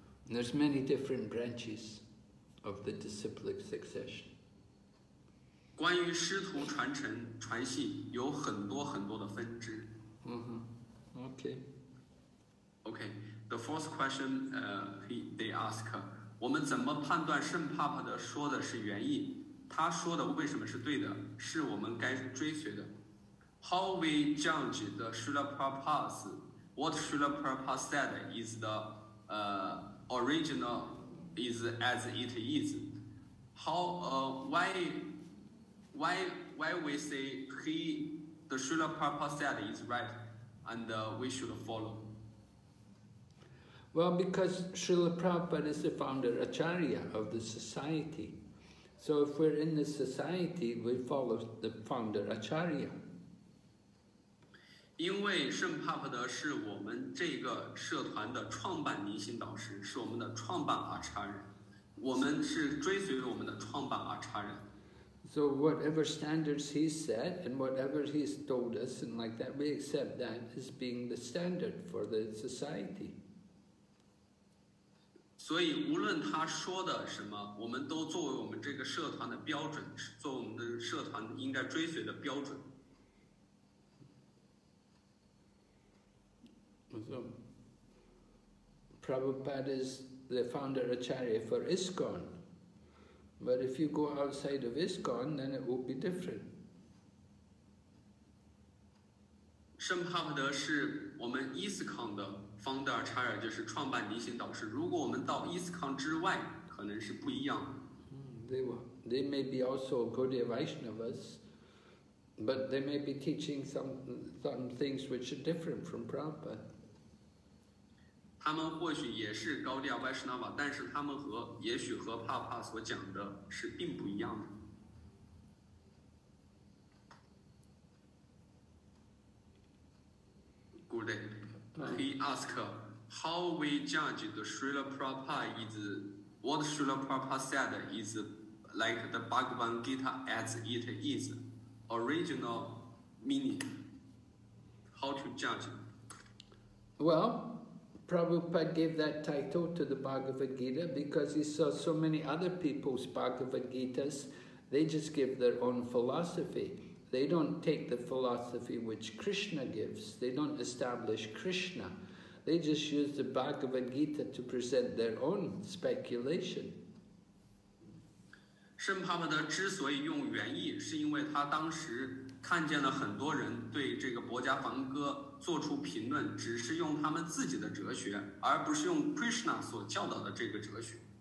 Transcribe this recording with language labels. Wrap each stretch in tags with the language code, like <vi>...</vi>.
<en>There's many different branches of the disciplic succession.</en> <zh>关于师徒传承传系有很多很多的分支。</zh> <en>Okay. The fourth question, they ask,</en> <zh>我们怎么判断圣帕帕的说的是原意？他说的为什么是对的？是我们该追随的。</zh> <en>How we judge the Srila Prabhupada's, what Srila Prabhupada said is the, original, is as it is. How, why we say he, the Srila Prabhupada said is right, and we should follow. Well, because Srila Prabhupada is the founder Acharya of the society. So if we're in the society, we follow the founder Acharya.</en> <zh>因为圣帕帕德是我们这个社团的创办明星导师，是我们的创办阿查人，我们是追随我们的创办阿查人。</zh> <en>So whatever standards he set and whatever he's told us and like that, we accept that as being the standard for the society.</en> <zh>所以无论他说的什么，我们都作为我们这个社团的标准，做我们的社团应该追随的标准。</zh> <en>So, Prabhupada is the founder Acharya for ISKCON. But if you go outside of ISKCON, then it will be different.</en> <zh>圣帕帕德是我们 ISKCON 的</zh> <en>founder Acharya,</en> <zh>就是创办明星导师。如果我们到 ISKCON 之外，可能是不一样。</zh> <en>They may be also Gaudiya Vaishnavas, but they may be teaching some things which are different from Prabhupada.</en> <zh>他们或许也是高迪亚·维什纳瓦，但是他们和也许和帕帕所讲的是并不一样的。</zh> <en>Good day. He asked, "How we judge the Srila Prabhupada is what Srila Prabhupada said is like the Bhagavad Gita as it is, original meaning. How to judge? Well." Prabhupada gave that title to the Bhagavad Gita because he saw so many other people's Bhagavad Gitas. They just give their own philosophy. They don't take the philosophy which Krishna gives. They don't establish Krishna. They just use the Bhagavad Gita to present their own speculation.</en> <zh>圣帕帕德之所以用原意，是因为他当时看见了很多人对这个《薄伽梵歌》做出评论，只是用他们自己的哲学，而不是用 Krishna 所教导的这个哲学。</zh>